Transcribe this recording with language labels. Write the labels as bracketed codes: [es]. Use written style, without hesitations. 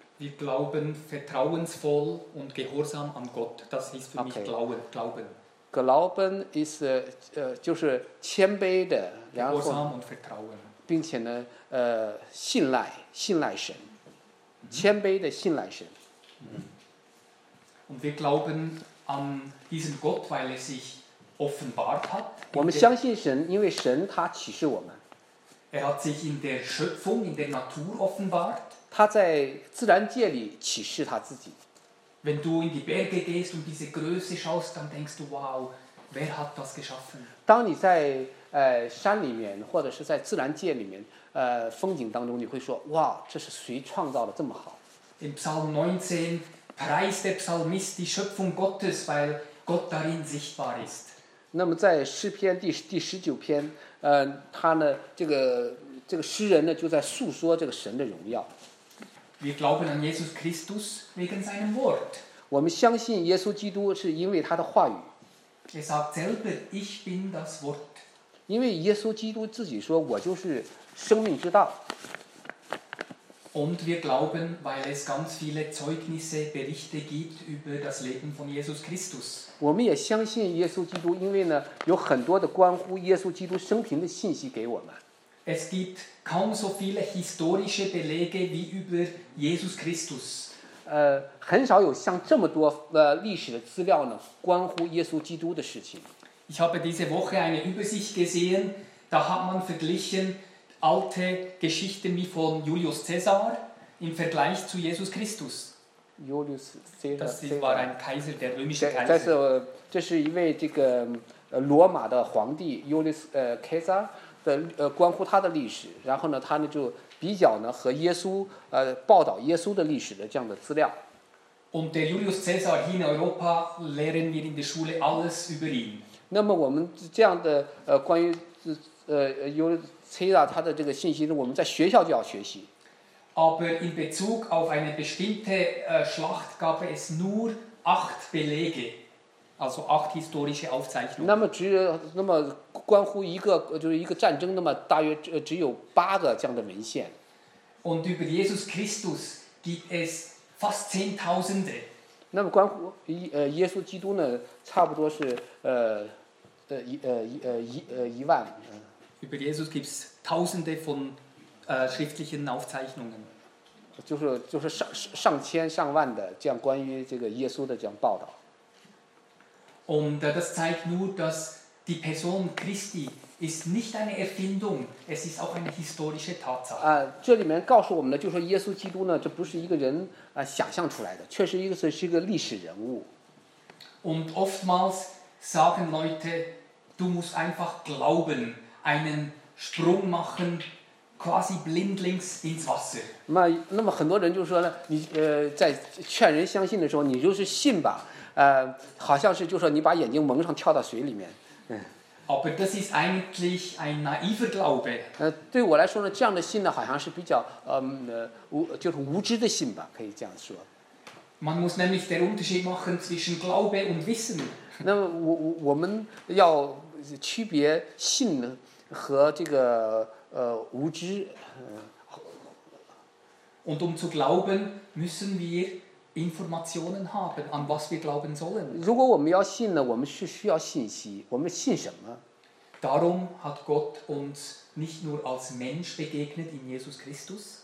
[de] Wir glauben vertrauensvoll und gehorsam an Gott. Das ist für mich okay. Glauben. Glauben. Glauben ist, [zh] 就是谦卑的然后并且呢信赖神谦卑的信赖神 [de] Und wir glauben an diesen Gott, weil er sich offenbart hat. [zh] 我们相信神因为神他启示我们 [de] Er hat sich in der Schöpfung, in der Natur offenbart. [zh] 他在自然界里启示他自己 [de] Wenn du in die Berge gehst und diese Größe schaust, dann denkst du, wow, wer hat das geschaffen? [zh] 当你在山里面或者是在自然界里面风景当中，你会说，哇，这是谁创造的这么好？ [de] In Psalm 19 preist der Psalmist die Schöpfung Gottes, weil Gott darin sichtbar ist. [zh] 那么在诗篇第十九篇，他呢，这个诗人呢，就在诉说这个神的荣耀。 [de] Wir glauben an Jesus Christus wegen seinem Wort. [zh] 我们相信耶稣基督是因为他的话语。 [de] Er sagt selber, ich bin das Wort. [zh] 因为耶稣基督自己说，我就是生命之道。 [de] Und wir glauben, weil es ganz viele Zeugnisse, Berichte gibt über das Leben von Jesus Christus. [zh] 我们也相信耶稣基督，因为呢，有很多的关乎耶稣基督生平的信息给我们。 [de] Es gibt kaum so viele historische Belege wie über Jesus Christus. [zh] 很少有像这么多历史的资料呢，关乎耶稣基督的事情。 [de] Ich habe diese Woche eine Übersicht gesehen. Da hat man verglichen alte Geschichten wie von Julius Caesar im Vergleich zu Jesus Christus. Julius Caesar. Das war ein Kaiser, der römische Kaiser. [zh] 这是一位这个罗马的皇帝 Julius Caesar。关乎他的历史然后呢他呢就比较呢和耶稣报道耶稣的历史的这样的资料 [de] und der Julius Caesar hier in Europa lernen wir in der Schule alles über ihn [zh] 那么我们这样的关于Julius Caesar 他的这个信息呢我们在学校就要学习 [de] aber in Bezug auf eine bestimmte Schlacht gab es nur 8 Belege Also 8 historische Aufzeichnungen. [zh] 那么关乎一个就是一个战争，那么大约只有八个这样的文献。 [de] Und über Jesus Christus gibt es fast 10.000. [zh] 那么关乎耶稣基督呢，差不多是一万。 [de] Über Jesus gibt es Tausende von schriftlichen Aufzeichnungen. [zh] 就是上千上万的这样关于这个耶稣的这样报道。 [de] Und das zeigt nur, dass die Person Christi ist nicht eine Erfindung, es ist auch eine historische Tatsache. [zh] 这里面告诉我们的就是耶稣基督呢，这不是一个人想象出来的，确实一个是一个历史人物。 [de] Und oftmals sagen Leute, du musst einfach glauben, einen Sprung machen, quasi blindlings ins Wasser. [zh] 那么很多人就说呢，你在劝人相信的时候，你就是信吧。好像是就说你把眼睛蒙上跳到水里面。 [de] Aber das ist eigentlich ein naiver Glaube. [zh] 对我来说呢，这样的信呢，好像是比较就是无知的信吧，可以这样说。 [de] Man muss nämlich den Unterschied machen zwischen Glaube und Wissen. [zh] 那么我们要区别信和这个无知。 [de] Und um zu glauben müssen wir. Informationen haben, an was wir glauben sollen. [zh] 如果我们要信呢，我们是需要信息。我们信什么 [de] ？Darum hat Gott uns nicht nur als Mensch begegnet in Jesus Christus.